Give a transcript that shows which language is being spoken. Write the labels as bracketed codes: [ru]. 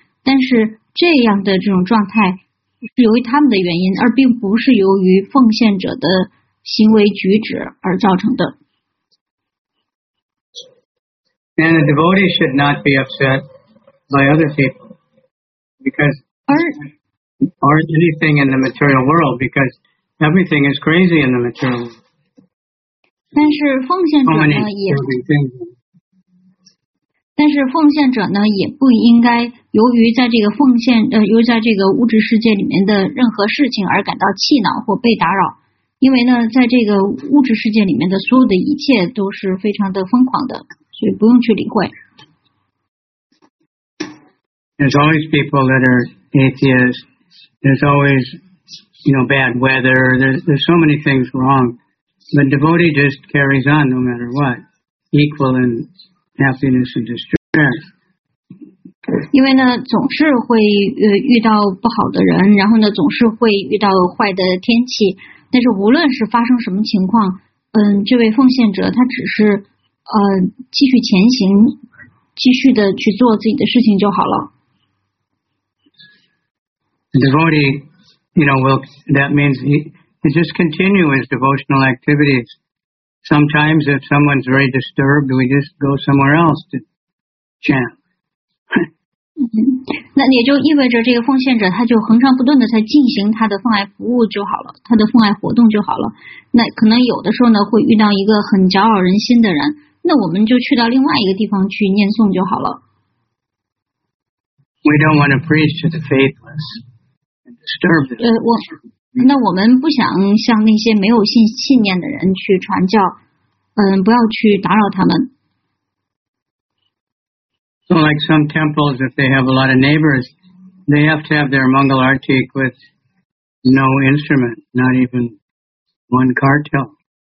[zh] 但是这样的这种状态是由于他们的原因，而并不是由于奉献者的行为举止而造成的。 [en] And the devotee should not be upset by other people or anything in the material world because. Everything is crazy in the material. [zh] 但是奉献者呢也，但是奉献者呢也不应该由于在这个奉献由于在这个物质世界里面的任何事情而感到气恼或被打扰，因为呢，在这个物质世界里面的所有的一切都是非常的疯狂的，所以不用去理会。 [en] There's always people that are atheists. There's always. You know, bad weather, there's so many things wrong. But devotee just carries on no matter what. Equal in happiness and distress. [zh] 因为呢，总是会遇到不好的人，然后呢，总是会遇到坏的天气。但是无论是发生什么情况，这位奉献者他只是继续前行，继续的去做自己的事情就好了。 [en] The devotee, you know, will, that means he just continue his devotional activities. Sometimes if someone's very disturbed, we just go somewhere else to chant. [zh] 那也就意味着这个奉献者他就恒常不顿的在进行他的奉爱服务就好了，他的奉爱活动就好了。那可能有的时候呢，会遇到一个很搅扰人心的人，那我们就去到另外一个地方去念诵就好了。 [en] We don't want to preach to the faithless and disturb them. [zh] 那我们不想向那些没有信念的人去传教，不要去打扰他们。 [en] So like some temples, if they have a lot of neighbors, they have to have their Mangal Arati with no instrument, not even one kartal.